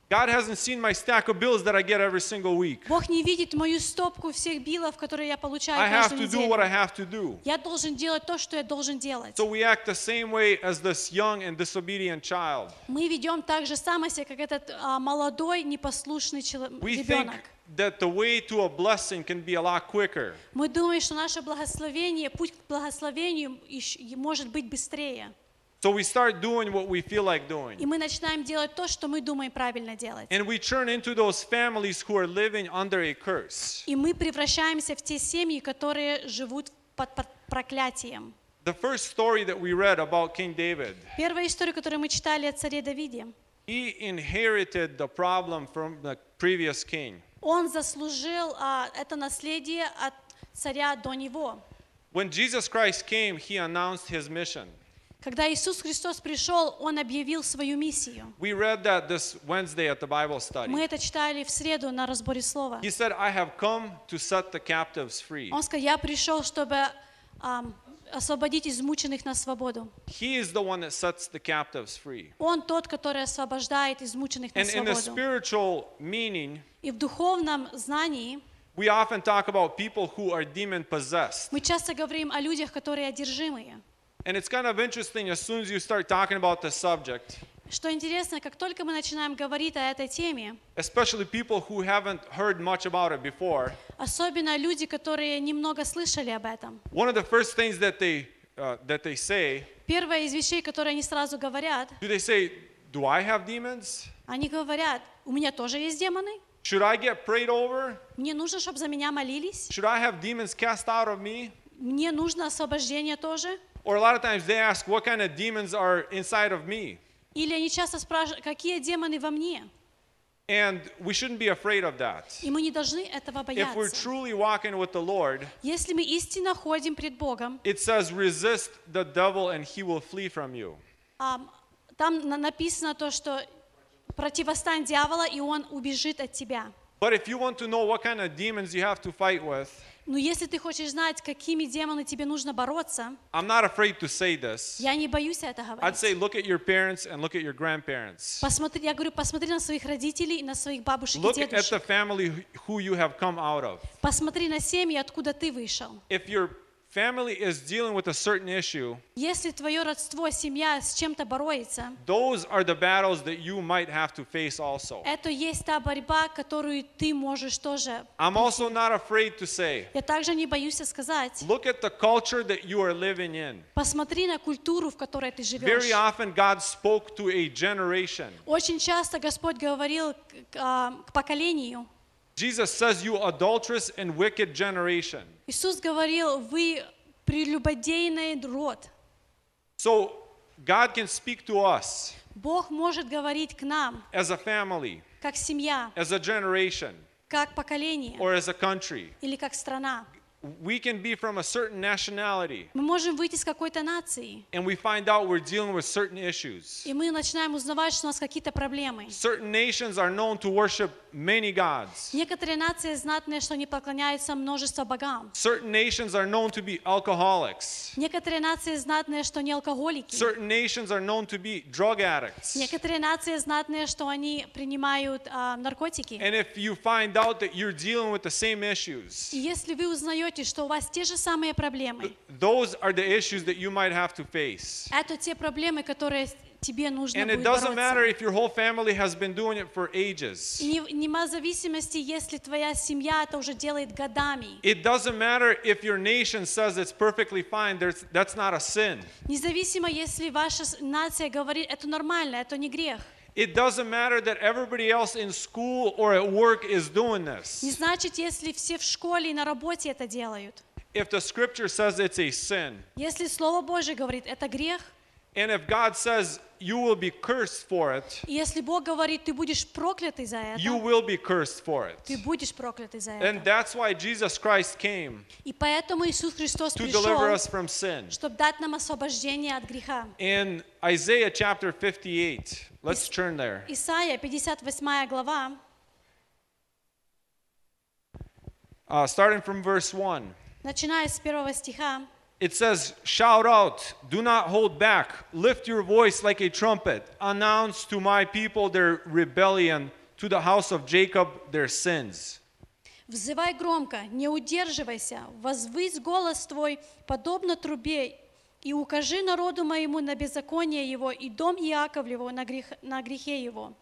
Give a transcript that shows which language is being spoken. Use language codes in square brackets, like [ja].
[en] God hasn't seen my stack of bills that I get every single week. [ru] Бог не видит мою стопку всех биллов, которые я получаю каждую неделю. [en] I have to do what I have to do. [ru] Я должен делать то, что я должен делать. [en] So we act the same way as this young and disobedient child. [ru] Мы ведем так же само себя, как этот молодой непослушный ребенок. [en] We think that the way to a blessing can be a lot quicker. [ru] Мы думаем, что наше благословение, путь к благословению может быть быстрее. [en] So we start doing what we feel like doing. [ru] И мы начинаем делать то, что мы думаем правильно делать. [en] And we turn into those families who are living under a curse. [ru] И мы превращаемся в те семьи, которые живут под проклятием. [en] The first story that we read about King David. [ru] Первая история, которую мы читали о царе Давиде. [en] He inherited the problem from the previous king. [ru] Он заслужил это наследие от царя до него. [en] When Jesus Christ came, he announced his mission. [ru] Когда Иисус Христос пришел, Он объявил свою миссию. [en] We read that this Wednesday at the Bible study. [ru] Мы это читали в среду на разборе слова. [en] He said, "I have come to set the captives free." [ru] Он сказал, "Я пришел, чтобы освободить измученных на свободу." [en] He is the one that sets the captives free. [ru] Он тот, который освобождает измученных на свободу. [en] And in a spiritual meaning. [ru] И в духовном знании. [en] We often talk about people who are demon possessed. [ru] Мы часто говорим о людях, которые одержимые. [en] And it's kind of interesting as soon as you start talking about the subject. [ru] Что интересно, как только мы начинаем говорить о этой теме. [en] Especially people who haven't heard much about it before. [ru] Особенно люди, которые немного слышали об этом. [en] One of the first things that they say. [ru] Первое из вещей, которые они сразу говорят. [en] Do they say, "Do I have demons?" [ru] Они говорят, у меня тоже есть демоны. [en] Should I get prayed over? [ru] Мне нужно, чтобы за меня молились. [en] Should I have demons cast out of me? [ru] Мне нужно освобождение тоже. [en] Or a lot of times they ask, "What kind of demons are inside of me?" [ru] Или они часто спрашивают, какие демоны во мне? [en] And we shouldn't be afraid of that. [ru] И мы не должны этого бояться. [en] If we're truly walking with the Lord, [ru] если мы истинно ходим пред Богом, [en] it says, "Resist the devil, and he will flee from you." [ru] Там написано то, что противостань дьявола, и он убежит от тебя. [en] But if you want to know what kind of demons you have to fight with, [ru] но если ты хочешь знать, какими демонами тебе нужно бороться, [en] I'm not afraid to say this. [ru] Я не боюсь это говорить. [en] I'd say, look at your parents and look at your grandparents. [ru] Посмотри, я говорю, посмотри на своих родителей и на своих бабушек и [en] look [ru] дедушек. [en] Look at the family who you have come out of. [ru] Посмотри на семьи, откуда ты вышел. [en] If your family is dealing with a certain issue, [ru] если твое родство, семья с чем-то борется, [en] those are the battles that you might have to face also. [ru] Это есть та борьба, которую ты можешь тоже. [en] I'm also not afraid to say. [ru] Я также не боюсь сказать. [en] Look at the culture that you are living in. [ru] Посмотри на культуру, в которой ты живешь. [en] Very often God spoke to a generation. [ru] Очень часто Господь говорил к поколению. [en] Jesus says, "You adulterous and wicked generation." [ru] Иисус говорил, вы прелюбодейный род. [en] So God can speak to us. [ru] Бог может говорить к нам. [en] As a family. [ru] Как семья. [en] As a generation. [ru] Как поколение. [en] Or as a country. [ru] Или как страна. [en] We can be from a certain nationality. [ru] Мы можем выйти из какой-то нации. [en] And we find out we're dealing with certain issues. [ru] И мы начинаем узнавать, что у нас какие-то проблемы. [en] Certain nations are known to worship many gods. [ru] Некоторые нации знатные, что они поклоняются множеству богам. [en] Certain nations are known to be alcoholics. [ru] Некоторые нации знатные, что они алкоголики. [en] Certain nations are known to be drug addicts. [ru] Некоторые нации знатные, что они принимают наркотики. [en] And if you find out that you're dealing with the same issues. [ru] Если вы узнаете, что у вас те же самые проблемы. [en] Those are the issues that you might have to face. [ru] Это те проблемы, которые тебе нужно будет бороться. [en] And it doesn't matter if your whole family has been doing it for ages. [ru] Нема зависимости, если твоя семья это уже делает годами. [en] It doesn't matter if your nation says it's perfectly fine. That's not a sin. [ru] Независимо, если ваша нация говорит, это нормально, это не грех. [en] It doesn't matter that everybody else in school or at work is doing this. [ru] Не значит, если все в школе и на работе это делают. [en] If the scripture says it's a sin. [ru] Если слово Божье говорит, это грех. [en] And if God says you will be cursed for it. [ru] Если Бог говорит, ты будешь проклят из-за этого. [en] You will be cursed for it. [ru] Ты будешь проклят из-за этого. [en] And that's why Jesus Christ came. [ru] И поэтому Иисус Христос пришел. [en] To deliver us from sin. [ru] Чтобы дать нам освобождение от греха. [en] In Isaiah chapter 58. Let's turn there. [ru] Исайя 58 глава. [en] Starting from verse 1. [ru] Начиная с первого стиха. [en] It says, "Shout out, do not hold back. Lift your voice like a trumpet. Announce to my people their rebellion, to the house of Jacob their sins." [ru] Взывай громко, не удерживайся. Возвысь голос твой подобно трубе. И укажи народу моему на беззаконие его и дом Иаковлеву на грехе его.